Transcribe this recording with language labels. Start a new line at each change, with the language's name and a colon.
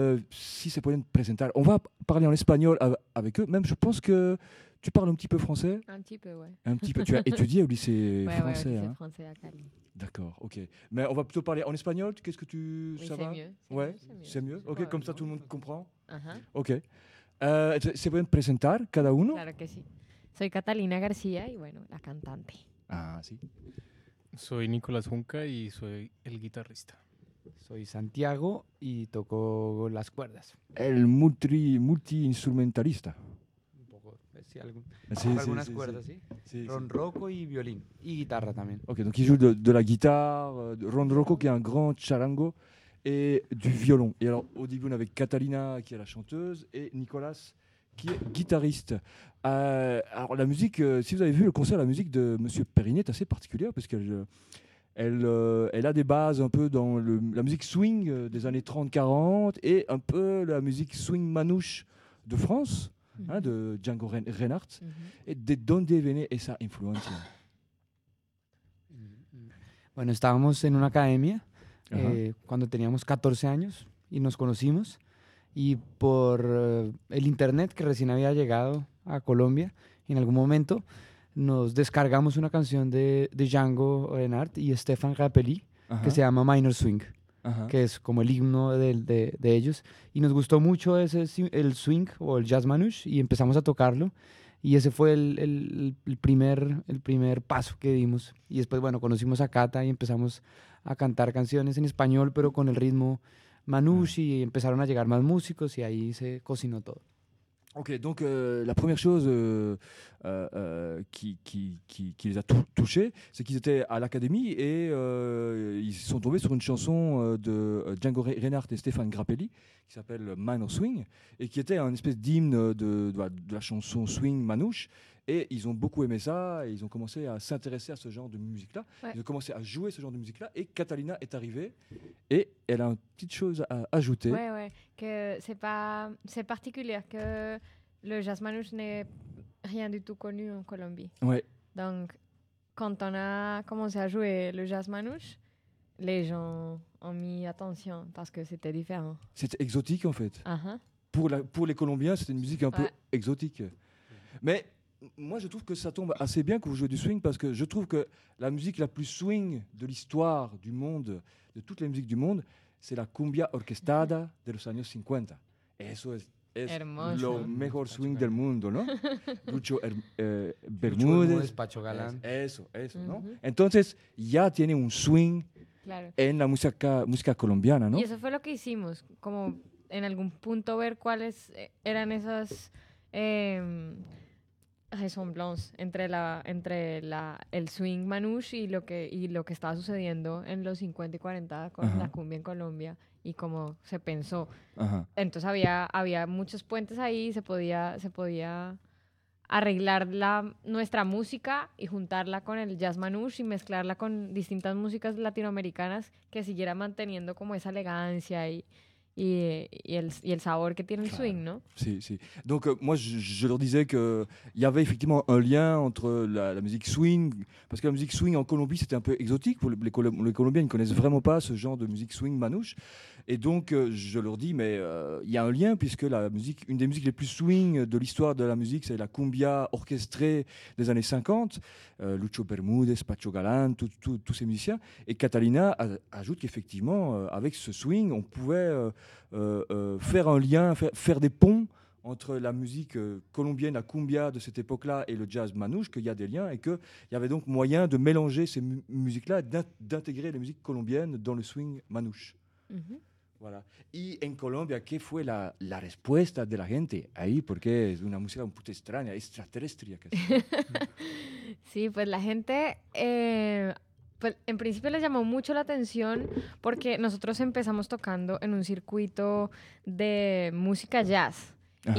French: si c'est pour une présentation, on va parler en espagnol avec eux. Même, je pense que tu parles un petit peu français. Un petit peu, ouais. Un petit peu. Tu as étudié au lycée français. Ouais, au lycée français à Cali. D'accord, ok. Mais on va plutôt parler en espagnol. Qu'est-ce que tu oui, ça c'est va mieux. Ouais, c'est mieux. C'est mieux. Ok, ouais, comme ça tout le monde comprend. Uh-huh. Ok.
Spanish: ¿Se pueden presentar cada uno? Claro que sí. Soy Catalina García y bueno, la cantante. Ah, sí. Soy Nicolás Junca y soy el guitarrista. Soy Santiago y toco las cuerdas. El multi-instrumentalista. Un poco, sí, algunas cuerdas, sí. Ronroco y violín. Y guitarra también.
French: Ok, donc il joue de la guitare, ronroco, qui est un grand charango. Et du violon. Et alors, au début, on avait Catalina, qui est la chanteuse, et Nicolas, qui est guitariste. Alors, la musique, si vous avez vu le concert, la musique de M. Périnet est assez particulière, parce qu'elle elle a des bases un peu dans la musique swing des années 30-40, et un peu la musique swing manouche de France, mm-hmm. hein, de Django Reinhardt. Mm-hmm.
Spanish: Et de donde viene esa influencia? Bueno, estábamos en una academia. Uh-huh. Cuando teníamos 14 años y nos conocimos y por el internet que recién había llegado a Colombia en algún momento nos descargamos una canción de Django Reinhardt y Stefan Rapelli uh-huh. que se llama Minor Swing uh-huh. que es como el himno de ellos y nos gustó mucho ese el swing o el jazz manouche y empezamos a tocarlo y ese fue el primer paso que dimos y después bueno conocimos a Cata y empezamos a cantar canciones en español, pero con el ritmo manouche, y empezaron a llegar más músicos, y ahí se cocinó todo.
French: Ok, donc la première chose qui les a touchés, c'est qu'ils étaient à l'académie, et ils se sont tombés sur une chanson de Django Reinhardt et Stefan Grappelli, qui s'appelle « Minor Swing », et qui était un espèce d'hymne de la chanson swing manouche. Et ils ont beaucoup aimé ça, et ils ont commencé à s'intéresser à ce genre de musique-là. Ouais. Ils ont commencé à jouer ce genre de musique-là, et Catalina est arrivée, et elle a une petite chose à ajouter. Oui, oui, que c'est particulier, que le jazz manouche n'est rien du tout connu en Colombie. Oui. Donc, quand on a commencé à jouer le jazz manouche, les gens ont mis attention, parce que c'était différent. C'était exotique, en fait. Uh-huh. Pour les Colombiens, c'était une musique un peu exotique. Mais moi, je trouve que ça tombe assez bien que vous jouez du swing parce que je trouve que la musique la plus swing de l'histoire du monde, de toutes les musiques du monde, c'est
Spanish: la cumbia orquestada de los años 50. Eso es lo mejor swing del mundo, ¿no? Lucho Bermúdez, Pacho Galán. Eso, ¿no? Entonces, ya tiene un swing en la música colombiana, ¿no? Y eso fue lo que hicimos, como en algún punto ver cuáles eran esas resemblance entre el swing manouche y lo que estaba sucediendo en los 50 y 40 con uh-huh. la cumbia en Colombia y cómo se pensó. Uh-huh. Entonces había muchos puentes ahí, se podía arreglar nuestra música y juntarla con el jazz manouche y mezclarla con distintas músicas latinoamericanas que siguiera manteniendo como esa elegancia y el sabor que tiene el swing, ¿no? Sí, sí.
French: Donc moi je leur disais que il y avait effectivement un lien entre la musique swing parce que la musique swing en Colombie c'était un peu exotique pour les Colombiens, ils connaissent vraiment pas ce genre de musique swing manouche. Et donc je leur dis mais il y a un lien puisque la musique une des musiques les plus swing de l'histoire de la musique c'est la cumbia orchestrée des années 50, Lucho Bermúdez, Pacho Galán, tous ces musiciens et Catalina ajoute qu'effectivement avec ce swing on pouvait faire un lien, faire des ponts entre la musique colombienne, la cumbia de cette époque-là et le jazz manouche, qu'il y a des liens et qu'il y avait donc moyen de mélanger ces musiques-là, d'intégrer les musiques colombiennes dans le swing manouche. Mm-hmm. Voilà.
Spanish: Y en Colombia, ¿qué fue la, la respuesta de la gente ahí? Porque es una música un poco extraña, extraterrestre. Sí, pues la gente, pues en principio les llamó mucho la atención porque nosotros empezamos tocando en un circuito de música jazz. Ajá.